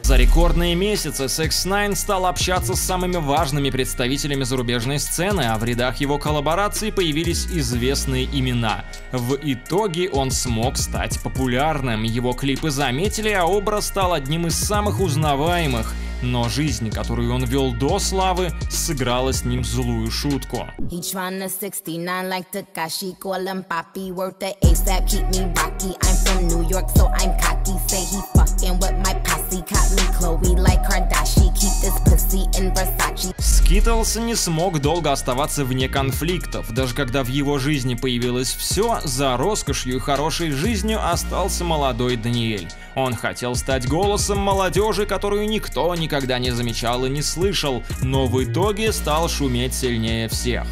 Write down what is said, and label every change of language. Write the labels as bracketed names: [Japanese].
[Russian] За рекордные месяцы 6ix9ine стал общаться с самыми важными представителями зарубежной сцены, а в рядах его коллабораций появились известные имена. В итоге он смог стать популярным, его клипы заметили, а образ стал одним из самых узнаваемых. Но жизнь, которую он вел до славы, сыграла с ним злую шутку. [English] He tryna 69 like Tekashi, call him Papi, worth the ASAP, keep me rocky, I'm from New York, so I'm cocky, say he fucking with my posse, caught me Chloe like Kardashian, keep this pussy in Versace. [Russian] Skittles не смог долго оставаться вне конфликтов. Даже когда в его жизни появилось все, за роскошью и хорошей жизнью остался молодой Даниэль. Он хотел стать голосом молодежи, которую никто никогда не замечал и не слышал, но в итоге стал шуметь сильнее всех.